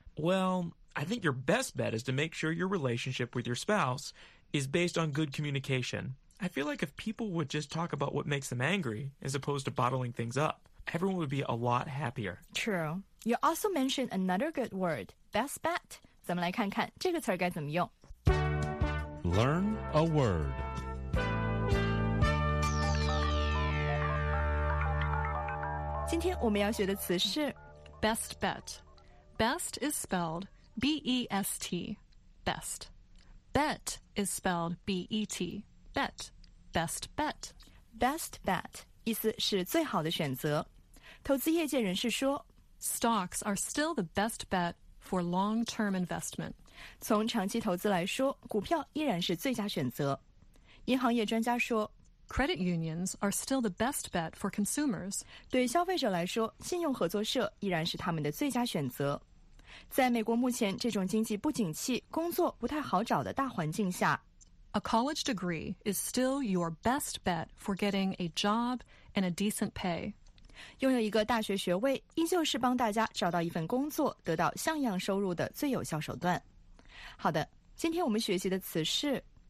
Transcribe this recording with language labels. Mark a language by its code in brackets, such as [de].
[en] Well, I think your best bet is to make sure your relationship with your spouse is based on good communication. I feel like if people would just talk about what makes them angry, as opposed to bottling things up, everyone would be a lot happier. True. You also mentioned another good word, best bet. [zh] 咱们来看看这个词该怎么用。 [en] Learn a word. Today, we're going to learn the word best bet. Best is spelled B-E-S-T, best. Bet is spelled B-E-T, bet. Best bet. [zh] Best bet, 意思是最好的选择。投资业界人士说 [en] Stocks are still the best bet for long-term investment. [zh] 从长期投资来说，股票依然是最佳选择。银行业专家说 [en] Credit unions are still the best bet for consumers. [zh] 对消费者来说，信用合作社依然是他们的最佳选择。在美国目前这种经济不景气、工作不太好找的大环境下， [en] A college degree is still your best bet for getting a job and a decent pay. [zh] 拥有一个大学学位依旧是帮大家找到一份工作、得到像样收入的最有效手段。好的，今天我们学习的词是